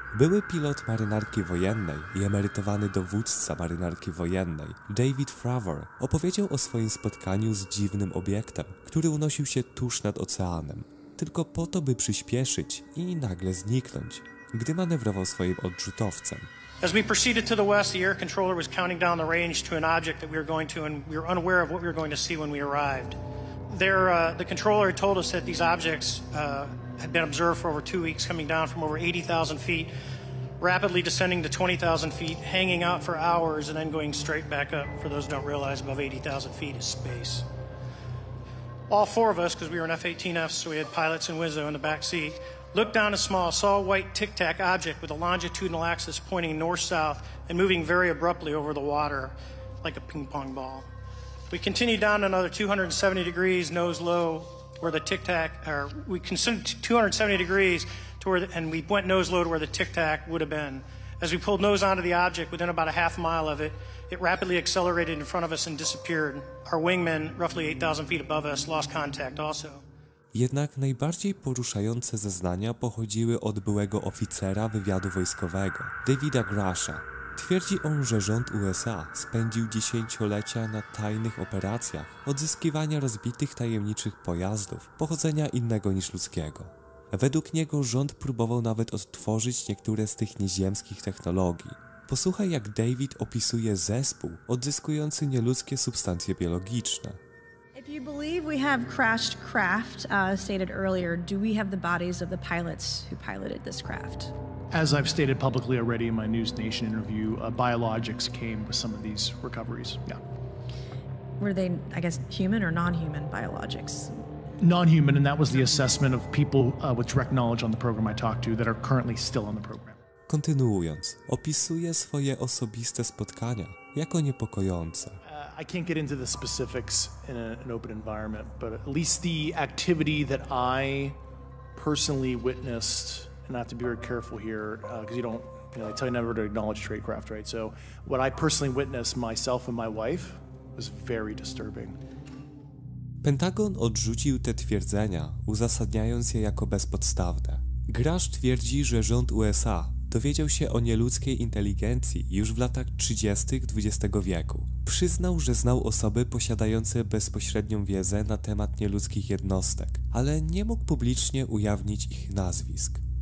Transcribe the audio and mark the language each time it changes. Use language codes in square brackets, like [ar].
[pl] Były pilot marynarki wojennej i emerytowany dowódca marynarki wojennej, David Fravor, opowiedział o swoim spotkaniu z dziwnym obiektem, który unosił się tuż nad oceanem, tylko po to, by przyspieszyć i nagle zniknąć, gdy manewrował swoim odrzutowcem. [en] As we proceeded to the west, the air controller was counting down the range to an object that we were going to, and we were unaware of what we were going to see when we arrived. There, the controller told us that these objects, had been observed for over 2 weeks, coming down from over 80,000 feet, rapidly descending to 20,000 feet, hanging out for hours, and then going straight back up. For those who don't realize, above 80,000 feet is space. All four of us, because we were in F-18F, so we had pilots and Wizzo in the back seat, looked down a small, saw a white tic-tac object with a longitudinal axis pointing north-south and moving very abruptly over the water like a ping-pong ball. We continued down another 270 degrees, nose low, where the tic-tac, or we considered 270 degrees to where the, and we went nose low to where the tic-tac would have been. As we pulled nose onto the object within about a half mile of it, it rapidly accelerated in front of us and disappeared. Our wingmen, roughly 8,000 feet above us, lost contact also. [pl] Jednak najbardziej poruszające zeznania pochodziły od byłego oficera wywiadu wojskowego, Davida Grasha. Twierdzi on, że rząd USA spędził dziesięciolecia na tajnych operacjach odzyskiwania rozbitych tajemniczych pojazdów pochodzenia innego niż ludzkiego. Według niego rząd próbował nawet odtworzyć niektóre z tych nieziemskich technologii. Posłuchaj, jak David opisuje zespół odzyskujący nieludzkie substancje biologiczne. [en] If you believe we have crashed craft, stated earlier, do we have the bodies of the pilots who piloted this craft? As I've stated publicly already in my News Nation interview, biologics came with some of these recoveries, yeah. Were they, I guess, human or non-human biologics? non-human, and that was the assessment of people with direct knowledge on the program I talked to that are currently still on the program. [pl] Kontynuując, opisuje swoje osobiste spotkania jako niepokojące. [en] I can't get into the specifics in an open environment, but at least the activity that I personally witnessed, and I have to be very careful here, because you don't, you know, they tell you never to acknowledge tradecraft, right? So what I personally witnessed myself and my wife was very disturbing. [pl] Pentagon odrzucił te twierdzenia, uzasadniając je jako bezpodstawne. Grasz twierdzi, że rząd USA dowiedział się o nieludzkiej inteligencji już w latach 30. XX wieku. Przyznał, że znał osoby posiadające bezpośrednią wiedzę na temat nieludzkich jednostek, ale nie mógł publicznie ujawnić ich nazwisk.